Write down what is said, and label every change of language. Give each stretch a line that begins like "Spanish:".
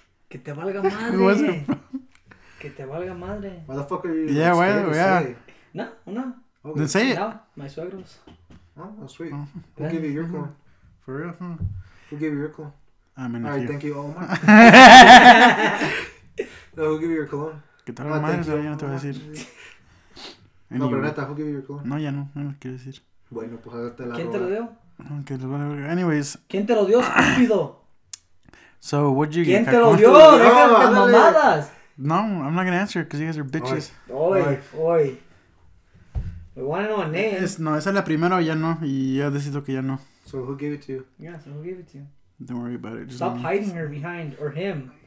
Spanish: Que te valga madre.
English: Who was it from?
Spanish: Que te valga madre.
English: Why the fuck are you? Yeah, why? Yeah. Say? No. Okay. Then say it. No, my suegros. Oh, sweet. Uh-huh. We'll give you your call. For real? We'll give you your call. I'm in. All right, thank you. All my. No, we'll give you your cologne.
Spanish: Que te valga madre, ya no te voy a decir. No, pero neta,
English: we'll give you your cologne.
Spanish: No, ya no. No lo quiero decir. Bueno, pues hágate la. ¿Quién te lo dio?
English: Anyways.
Spanish: ¿Quién te lo dio, estúpido?
English: So, what'd you
Spanish: ¿quién
English: get?
Spanish: ¿Quién te lo dio? ¡Déjame las mamadas!
English: No, I'm not gonna answer because you guys are bitches. Oy. We want to know a name.
Spanish: Esa es la primera o ya no. Y ya decido que ya no.
English: So, who gave it to you? Yeah, so who gave it to you? Don't worry about it. Stop hiding her behind or him.